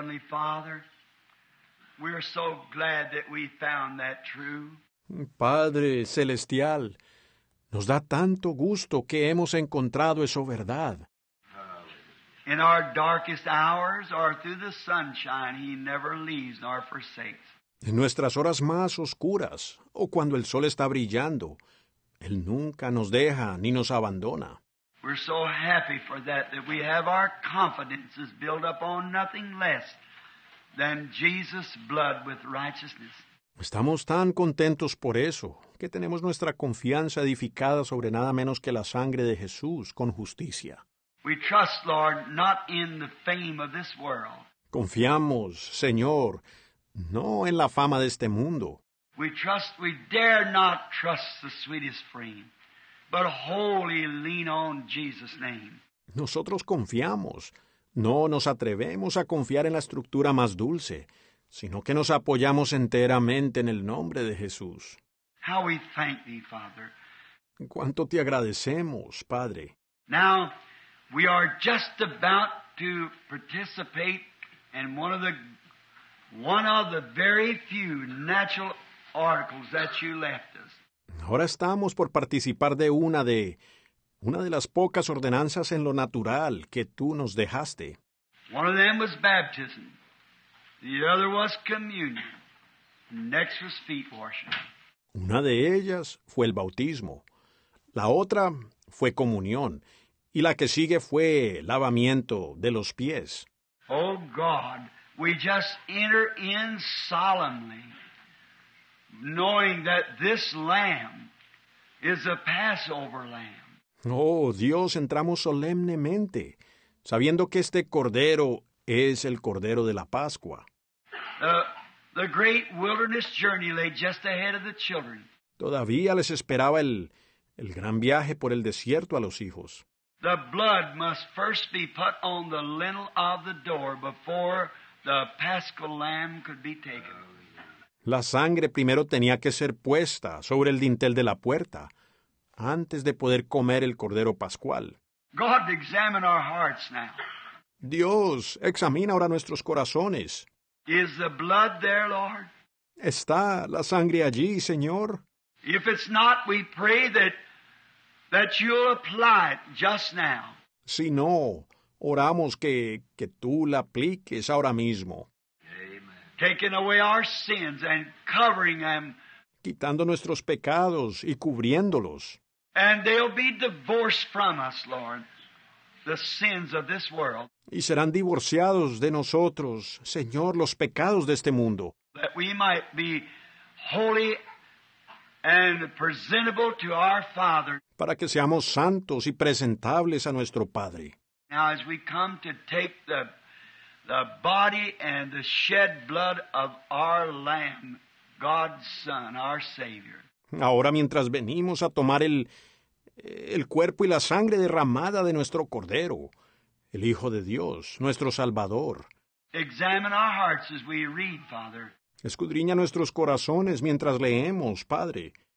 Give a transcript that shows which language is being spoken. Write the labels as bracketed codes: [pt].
[en] Father, we're so glad that we found that true. [es] Padre celestial, nos da tanto gusto que hemos encontrado eso verdad. [en] In our darkest hours or through the sunshine, he never leaves nor forsakes. [es] En nuestras horas más oscuras o cuando el sol está brillando, él nunca nos deja ni nos abandona. [en] We're so happy for that we have our confidences built up on nothing less than Jesus' blood with righteousness. [es] Estamos tan contentos por eso, que tenemos nuestra confianza edificada sobre nada menos que la sangre de Jesús con justicia. [en] We trust, Lord, not in the fame of this world. [es] Confiamos, Señor, no en la fama de este mundo. [en] We dare not trust the sweetest frame, but wholly lean on Jesus' name. [es] Nosotros confiamos. No nos atrevemos a confiar en la estructura más dulce, sino que nos apoyamos enteramente en el nombre de Jesús. [en] How we thank thee, Father. [es] ¿Cuánto te agradecemos, Padre? [en] Now, we are just about to participate in one of the very few natural articles that you left us. [es] Ahora estamos por participar de una de las pocas ordenanzas en lo natural que tú nos dejaste. [en] One of them was baptism. The other was communion. Next was feet washing. [es] Una de ellas fue el bautismo. La otra fue comunión. Y la que sigue fue lavamiento de los pies. [en] Oh, God, we just enter in solemnly, knowing that this lamb is a Passover lamb. [es] Oh, Dios, entramos solemnemente, sabiendo que este cordero es el cordero de la Pascua. [en] The great wilderness journey lay just ahead of the children. [es] Todavía les esperaba el gran viaje por el desierto a los hijos. [en] The blood must first be put on the lintel of the door before the paschal lamb could be taken. [es] La sangre primero tenía que ser puesta sobre el dintel de la puerta antes de poder comer el cordero pascual. [en] God, examine our hearts now. [es] Dios, examina ahora nuestros corazones. [en] Is the blood there, Lord? [es] ¿Está la sangre allí, Señor? [en] If it's not, we pray that you'll apply it just now. [es] Si no, oramos que tú la apliques ahora mismo. [en] Amen. Taking away our sins and covering them. [es] Quitando nuestros pecados y cubriéndolos. [en] And they'll be divorced from us, Lord, the sins of this world. [es] Y serán divorciados de nosotros, Señor, los pecados de este mundo. [en] That we might be holy and presentable to our Father. [es] Para que seamos santos y presentables a nuestro Padre. [en] Now as we come to take the body and the shed blood of our Lamb, God's Son, our Savior. [es] Ahora mientras venimos a tomar el cuerpo y la sangre derramada de nuestro Cordero, el Hijo de Dios, nuestro Salvador. [en] Examine our hearts as we read, Father. [es] Escudriña nuestros corazones mientras leemos, Padre.